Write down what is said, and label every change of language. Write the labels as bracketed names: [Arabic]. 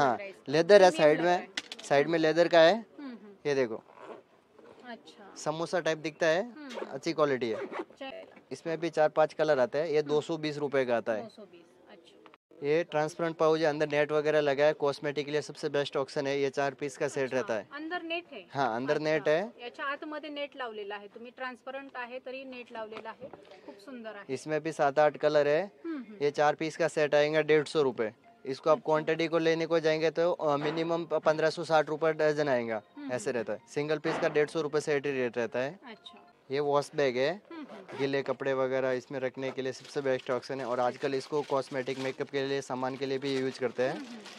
[Hindi] हाँ, लेदर है, साइड में लेदर का है, ये देखो, अच्छा समोसा टाइप दिखता है, अच्छी क्वालिटी है। इसमें भी 4-5 कलर आते हैं, ये 220 रुपए का आता है। ये ट्रांसपेरेंट पाउच है, अंदर नेट वगैरह लगा है, कॉस्मेटिक के लिए सबसे बेस्ट ऑप्शन है, ये 4 पीस का सेट। अच्छा, रहता है अंदर नेट है। हाँ, अंदर नेट है, [Marathi] अच्छा आत मध्ये नेट लावलेला आहे, तुम्ही ट्रांसपेरेंट आहे तरी नेट लावलेला आहे, खूप सुंदर आहे। [Hindi] इसमें भी 7-8 कलर है, ये 4 पीस का सेट आएगा 150 रुपए। इसको आप क्वांटिटी को लेने को जाएंगे तो मिनिमम 1560 रुपए दर्जन आएगा, ऐसे रहता है। सिंगल पीस का 150 रुपए सेट ही रेट रहता है। ये वॉश बैग है, गीले कपड़े वगैरह इसमें रखने के लिए सबसे बेस्ट ऑप्शन है, और आजकल इसको कॉस्मेटिक मेकअप के लिए सामान के लिए भी यूज करते हैं।